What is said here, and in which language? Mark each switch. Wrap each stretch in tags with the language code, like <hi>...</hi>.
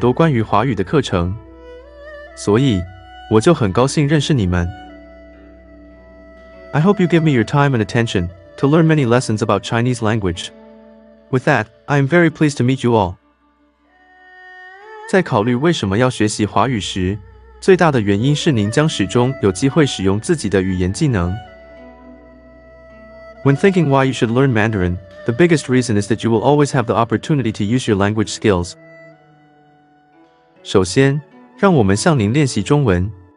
<zh>希望您能花时间和精力学习很多关于华语的课程.所以,我就很高兴认识你们.</zh> <en>I hope you give me your time and attention to learn many lessons about Chinese language. With that, I am very pleased to meet you all.</en> <zh>在考虑为什么要学习华语时, 最大的原因是您将始终有机会使用自己的语言技能。</zh> <en>When thinking why you should learn Mandarin, the biggest reason is that you will always have the opportunity to use your language skills.</en> <zh>首先,让我们向您练习中文。</zh>